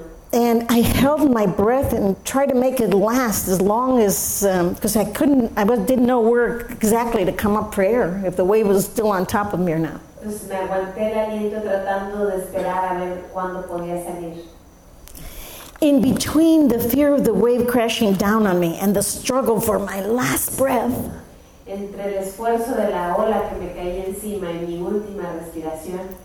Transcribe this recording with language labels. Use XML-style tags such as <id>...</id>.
<en>And I held my breath and tried to make it last as long as, because I didn't know where exactly to come up for air, if the wave was still on top of me or not.</en> <es>Entonces me aguanté el aliento tratando de esperar a ver cuándo podía salir.</es> <en>In between the fear of the wave crashing down on me and the struggle for my last breath,</en> <es>entre el esfuerzo de la ola que me caía encima y mi última respiración,</es>